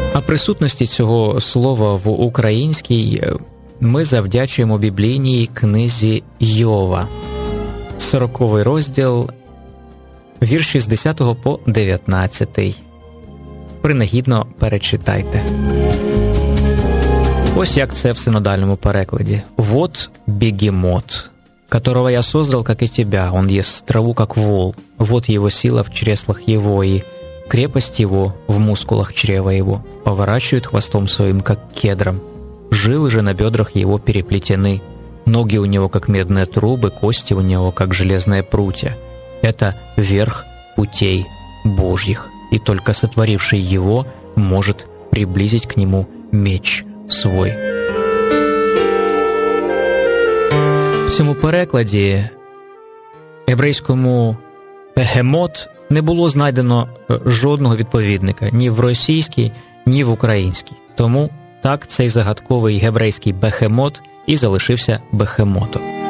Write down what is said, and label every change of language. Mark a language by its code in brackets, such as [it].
[uk] Присутності цього слова в українській ми завдячуємо біблійній книзі Йова. 40-й розділ, вірші з 10 по 19. Принагідно перечитайте. Ось як це в синодальному перекладі. [ru] «Вот бегемот, которого я создал, как и тебя, он ест траву, как вол, вот его сила в чреслах его и крепость его в мускулах чрева его, поворачивает хвостом своим, как кедром. Жилы же на бедрах его переплетены. Ноги у него, как медные трубы, кости у него, как железные прутья. Это верх путей Божьих. И только сотворивший его может приблизить к нему меч свой». [uk] В цьому перекладі еврейському «бегемот» не було знайдено жодного відповідника ні в російській, ні в українській. Тому так цей загадковий гебрейський бехемот і залишився бехемотом.